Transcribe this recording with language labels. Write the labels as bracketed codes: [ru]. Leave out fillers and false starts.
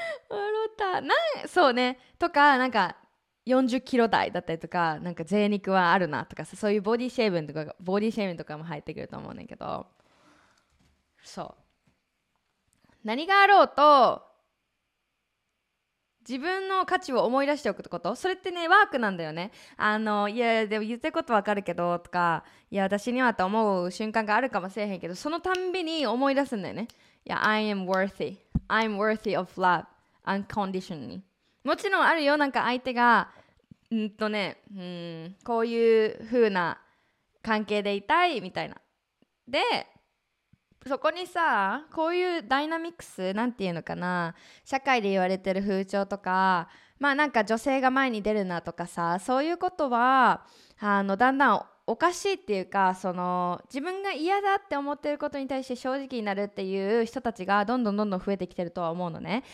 [ja] 笑った、なんそうねとか、なんか40キロ台だったりとか、なんか贅肉はあるなとか、そういうボディシェーブとか、ボディシェーブとかも入ってくると思うんだけど、そう何があろうと自分の価値を思い出しておくってこと、それってねワークなんだよね。いやでも言ってることわかるけどとか、いや私にはと思う瞬間があるかもしれへんけど、そのたんびに思い出すんだよね。 [en] いや I am worthy, I'm worthy of love unconditionally。 [ja] もちろんあるよ、なんか相手がこういう風な関係でいたいみたいな、でそこにさ、こういうダイナミクス、なんていうのかな、社会で言われてる風潮とか、まあなんか女性が前に出るなとかさ、そういうことはだんだんおかしいっていうか、その自分が嫌だって思ってることに対して正直になるっていう人たちがどんどんどんどん増えてきてるとは思うのね。